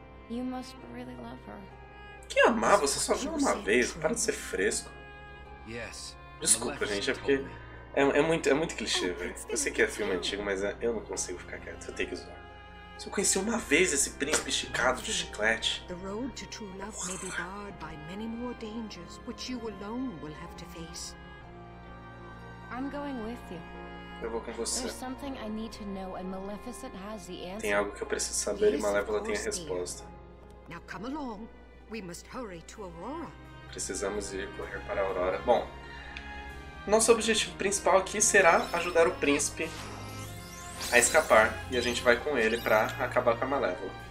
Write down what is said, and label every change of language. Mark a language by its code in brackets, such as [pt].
[en] You must really love her. [pt] Que amar? Você só viu uma vez. Para de ser fresco. [en] Yes. [pt] Desculpa, gente, é porque é muito clichê, velho. Eu sei que é filme antigo, mas eu não consigo ficar quieto. Eu tenho que zoar. Só conheci uma vez esse príncipe esticado de chiclete. [en] The road to true love may be barred by many more dangers, which you alone will have to face. I'm going with you. [pt] Eu vou com você. [en] There's something I need to know, and Maleficent has the answer. [pt] Tem algo que eu preciso saber e Malévola tem a resposta. [en] Now come along. We must hurry to Aurora. [pt] Precisamos ir correr para Aurora. Bom, nosso objetivo principal aqui será ajudar o príncipe a escapar, e a gente vai com ele pra acabar com a Malévola.